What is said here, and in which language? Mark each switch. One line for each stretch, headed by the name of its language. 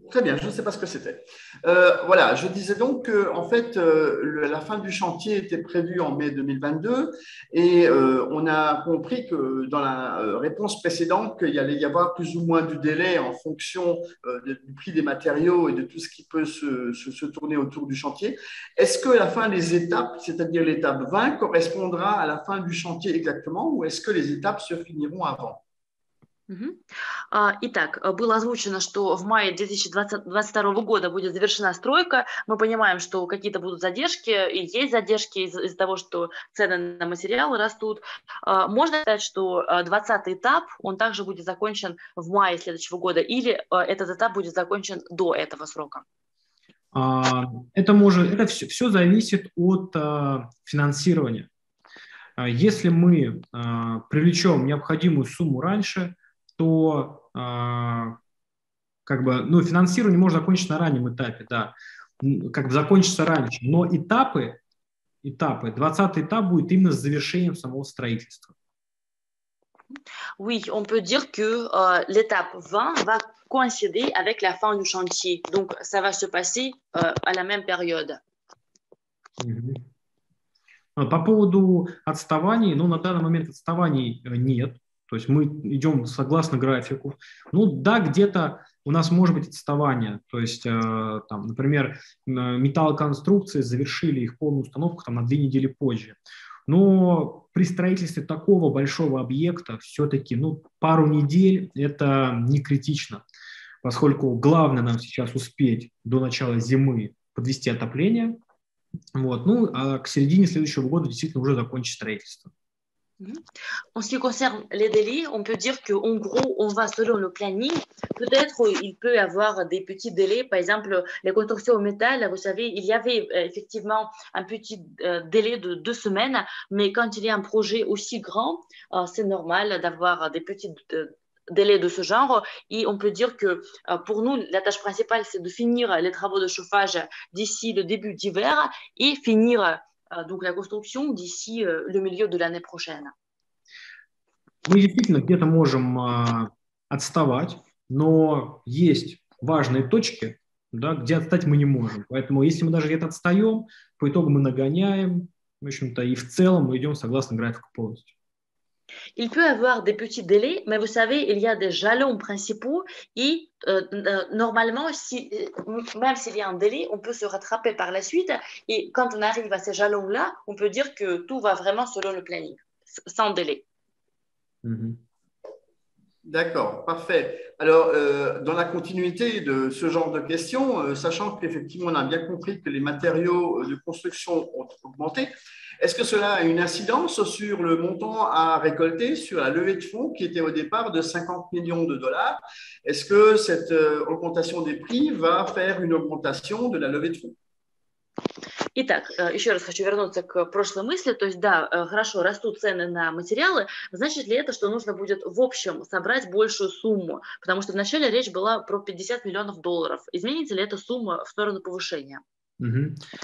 French: Très bien. Je ne sais pas ce que c'était. Voilà. Je disais donc que en fait, la fin du chantier était prévue en mai 2022 et on a compris que dans la réponse précédente qu'il allait y avoir plus ou moins du délai en fonction du prix des matériaux et de tout ce qui peut se tourner autour du chantier. Est-ce que la fin des étapes, c'est-à-dire l'étape 20, correspondra à la fin du chantier exactement ou est-ce que les étapes se finiront avant?
Russian: Итак, было озвучено, что в мае 2022 года будет завершена стройка. Мы понимаем, что какие-то будут задержки, и есть задержки из-за того, что цены на материалы растут. Можно сказать, что 20-й этап, он также будет закончен в мае следующего года, или этот этап будет закончен до этого срока? Это все зависит от финансирования. Если мы привлечем необходимую сумму раньше, то финансирование можно закончить на раннем этапе, да, как бы закончится раньше. Но этапы, 20-й этап будет именно с завершением самого строительства.
French: Oui, on peut dire que l'étape 20 va coïncider avec la fin du chantier. Donc, ça va se passer à la même période.
Russian: По поводу отставаний, на данный момент отставаний нет. То есть мы идем согласно графику. Ну да, где-то у нас может быть отставание. То есть, там, например, металлоконструкции завершили их полную установку там, на 2 недели позже. Но при строительстве такого большого объекта все-таки пару недель – это не критично, поскольку главное нам сейчас успеть до начала зимы подвести отопление. А к середине следующего года действительно уже закончить строительство.
French: En ce qui concerne les délais, on peut dire qu'en gros, on va selon le planning. Peut-être il peut y avoir des petits délais. Par exemple, les constructions au métal, vous savez, il y avait effectivement un petit délai de 2 semaines. Mais quand il y a un projet aussi grand, c'est normal d'avoir des petits délais de ce genre. Et on peut dire que pour nous, la tâche principale, c'est de finir les travaux de chauffage d'ici le début d'hiver et finir... Donc la construction d'ici le milieu de l'année prochaine.
Russian: Мы действительно где-то можем отставать, но есть важные точки, да, где отстать мы не можем. Поэтому если мы даже где-то отстаем, по итогу мы нагоняем, в общем-то, и в целом мы идем согласно графику полностью.
French: Il peut avoir des petits délais, mais vous savez, il y a des jalons principaux et normalement, si, même s'il y a un délai, on peut se rattraper par la suite. Et quand on arrive à ces jalons-là, on peut dire que tout va vraiment selon le planning, sans délai. Mmh. D'accord, parfait. Alors, dans la continuité de ce genre de questions, sachant qu'effectivement, on a bien compris que les matériaux de construction ont augmenté, est-ce que cela a une incidence sur le montant à récolter sur la levée de fonds qui était au départ de 50 millions de dollars? Est-ce que cette augmentation des prix va faire une augmentation de la levée de fonds?
Russian: Итак, еще раз хочу вернуться к прошлой мысли. То есть, да, хорошо, растут цены на материалы. Значит ли это, что нужно будет в общем собрать большую сумму? Потому что вначале речь была про 50 миллионов долларов. Изменится ли эта сумма в сторону повышения? Угу.